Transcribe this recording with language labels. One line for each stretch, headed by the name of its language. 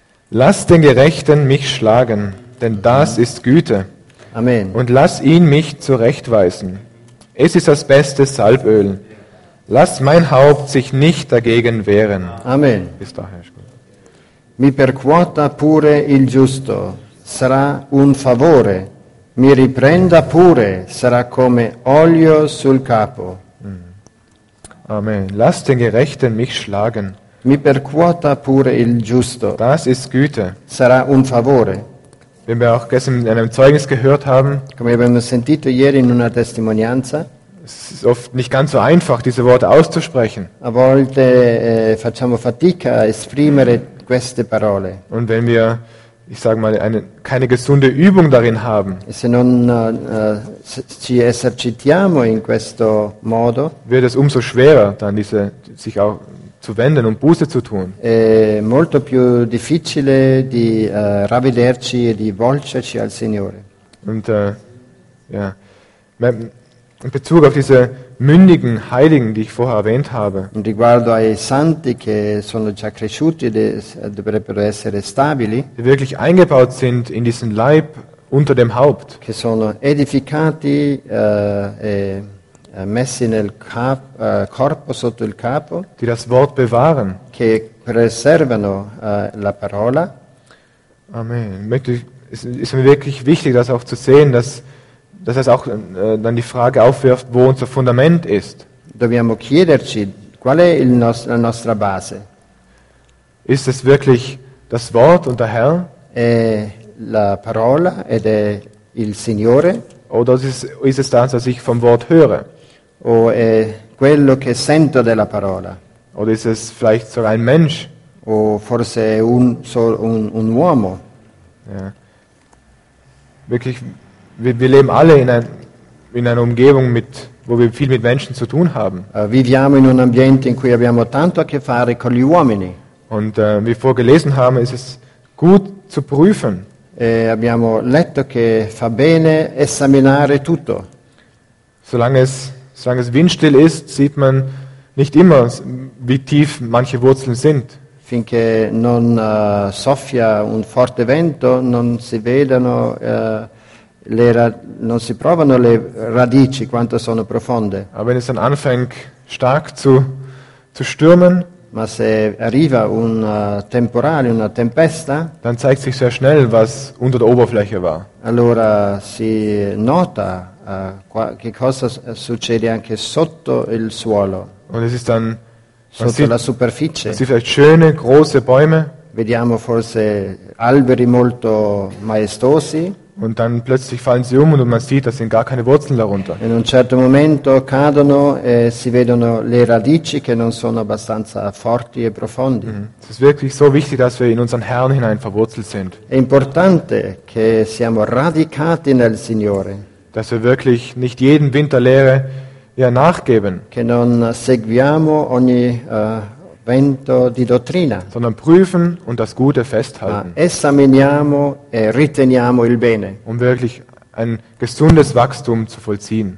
German: Lass den Gerechten mich schlagen, denn das ist Güte. Amen. Und lass ihn mich zurechtweisen. Es ist das beste Salböl. Lass mein Haupt sich nicht dagegen wehren. Amen. Bis dahin.
Italian: Mi percuota pure il giusto, sarà un favore. Mi riprenda pure, sarà come olio sul capo. Amen.
German: Lass den Gerechten mich schlagen.
Italian: Mi percuota pure il giusto.
German: Das ist Güte.
Italian: Sarà un favore.
German: Wie wir auch gestern in einem Zeugnis gehört haben.
Italian: Come abbiamo sentito ieri in una testimonianza.
German: Es ist oft nicht ganz so einfach, diese Worte auszusprechen.
Italian: A volte facciamo fatica a esprimere queste parole.
German: Und wenn wir, ich sage mal, keine gesunde Übung darin haben,
Italian: e se non ci esercitiamo in questo modo,
German: wird es umso schwerer, dann diese sich auch zu wenden und Buße zu tun.
Italian: È molto più difficile di ravvederci e di volgerci al Signore.
German: Und ja, in Bezug auf diese mündigen Heiligen, die ich vorher erwähnt habe. Und
Italian: riguardo ai santi che sono già cresciuti, dovrebbero essere stabili.
German: Die wirklich eingebaut sind in diesen Leib unter dem Haupt.
Italian: Che sono edificati e messi nel corpo sotto il capo.
German: Die das Wort bewahren.
Italian: Che preservano la parola. Amen.
German: Ist mir wirklich wichtig, das auch zu sehen, dass das auch dann die Frage aufwirft, wo unser Fundament ist.
Italian: Dobbiamo chiederci qual è la nostra base.
German: Ist es wirklich das Wort und der Herr?
Italian: È la parola ed è il Signore.
German: Oder ist es das, was ich vom Wort höre?
Italian: O è quello che sento della parola.
German: Oder ist es vielleicht sogar ein Mensch?
Italian: O forse un uomo.
German: Ja. Wirklich. Wir leben alle in einer Umgebung, wo wir viel mit Menschen zu tun haben.
Italian: Viviamo in un ambiente in cui abbiamo tanto a che fare con gli uomini.
German: Und wie wir vorgelesen haben, ist es gut zu prüfen.
Italian: Abbiamo letto che fa bene esaminare tutto.
German: Solange es windstill ist, sieht man nicht immer, wie tief manche Wurzeln sind.
Italian: Finché non soffia un forte vento, non si vedono non si provano le radici quanto sono profonde.
German: Aber wenn es dann anfängt stark zu stürmen,
Italian: ma se arriva un temporale, una tempesta,
German: dann zeigt sich sehr schnell, was unter der Oberfläche war.
Italian: Allora si nota che cosa succede anche sotto il suolo.
German: Und es ist dann
Italian: sotto la superficie.
German: Man sieht vielleicht schöne große Bäume.
Italian: Vediamo forse alberi molto maestosi.
German: Und dann plötzlich fallen sie um und man sieht, da sind gar keine Wurzeln darunter.
Italian: In un certo momento cadono e si vedono le radici che non sono abbastanza forti e profondi.
German: Es ist wirklich so wichtig, dass wir in unseren Herrn hinein verwurzelt sind.
Italian: È importante che siamo radicati nel Signore.
German: Dass wir wirklich nicht jeden Wind der Lehre nachgeben.
Italian: Che non seguiamo ogni vento di dottrina,
German: sondern prüfen und das Gute festhalten.
Italian: Esaminiamo e riteniamo il bene,
German: um wirklich ein gesundes Wachstum zu vollziehen.